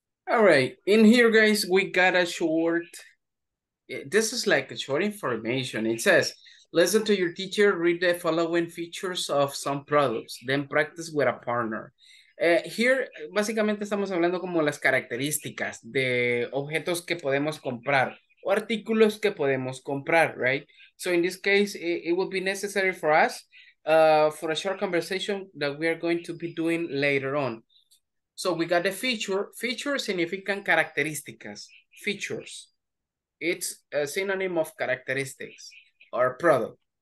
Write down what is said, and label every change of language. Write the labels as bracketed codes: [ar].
[en] All right, in here, guys, we got a short, this is like a short information. It says, listen to your teacher, read the following features of some products, then practice with a partner. [es] Here, básicamente estamos hablando como las características de objetos que podemos comprar o artículos que podemos comprar, [en] right? So in this case, it would be necessary for us for a short conversation that we are going to be doing later on. So we got the feature. Features [es] significan características. [en] Features. It's a synonym of characteristics or product.